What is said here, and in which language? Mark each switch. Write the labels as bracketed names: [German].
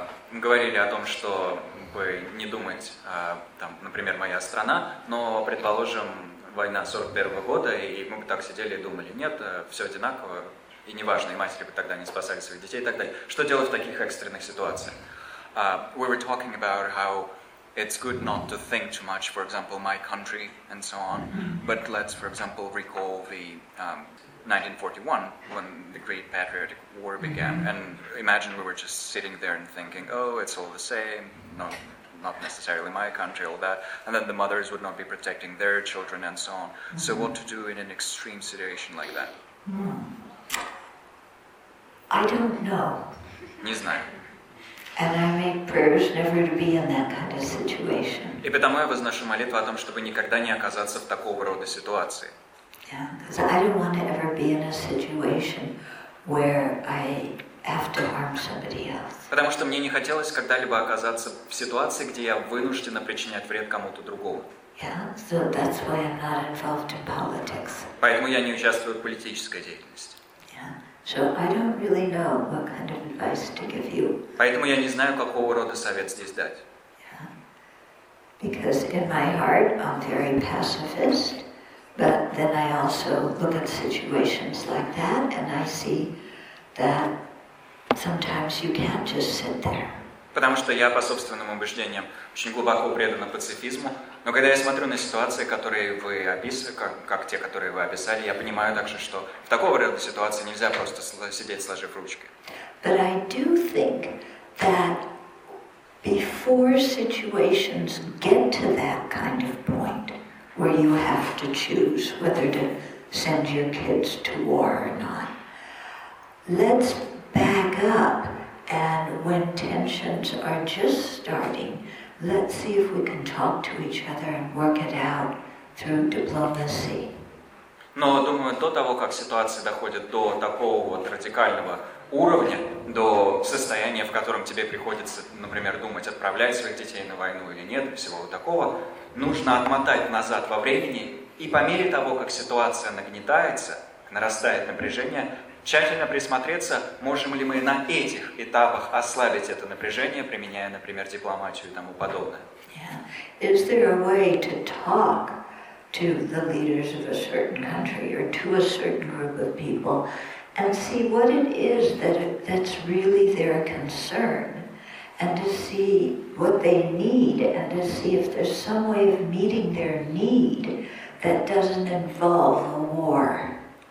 [Russian] Говорили о том, что бы не думать, там, например, моя страна, но, предположим, война 41-го года, и мы бы так сидели и думали, нет, все одинаково, и неважно, и матери бы тогда не спасали своих детей и так далее. Что делать в таких экстренных ситуациях? [English] We were talking about how It's good not to think too much, for example, my country and so on. But let's, for example, recall the 1941, when the Great Patriotic War began, and imagine we were just sitting there and thinking, oh, it's all the same, no, not necessarily my country, all that, and then the mothers would not be protecting their children and so on. Mm-hmm. So what to do in an extreme situation like that? I don't know. [Russian] Не знаю. [English] And I make prayers never to be in that kind of situation. [Russian] И потому я возношу молитву о том, чтобы никогда не оказаться в такого рода ситуации. [English] Yeah, because I don't want to ever be in a situation where I have to harm somebody else. [Russian] Потому что мне не хотелось когда-либо оказаться в ситуации, где я вынуждена причинять вред кому-то другому. [English] Yeah, so that's why I'm not involved in politics. [Russian] Поэтому я не участвую в политической деятельности. [English] Yeah, so I don't really know what kind of advice to give you. [Russian] Поэтому я не знаю, какого рода совет здесь дать. [English] Yeah, because in my heart I'm very pacifist. But then I also look at situations like that, and I see that sometimes you can't just sit there. [Russian] Потому что я по собственным убеждениям очень глубоко предана пацифизму, но когда я смотрю на ситуации, которые вы описываете, как те, которые вы описали, я понимаю также, что в такого рода ситуации нельзя просто сидеть сложив ручки. [English] But I do think that before situations get to that kind of point. Where you have to choose whether to send your kids to war or not. Let's back up, and when tensions are just starting, let's see if we can talk to each other and work it out through diplomacy. [Russian] Но думаю, до того, как ситуация доходит до такого вот радикального уровня, до состояния, в котором тебе приходится, например, думать, отправлять своих детей на войну или нет, всего вот такого, нужно отмотать назад во времени, и по мере того, как ситуация нагнетается, нарастает напряжение, тщательно присмотреться, можем ли мы на этих этапах ослабить это напряжение, применяя, например, дипломатию и тому подобное. [English] Yeah. Is there a way to talk to the leaders of a certain country or to a certain group of people and see what it is that's really their concern? And to see what they need, and to see if there's some way of meeting their need that doesn't involve a war.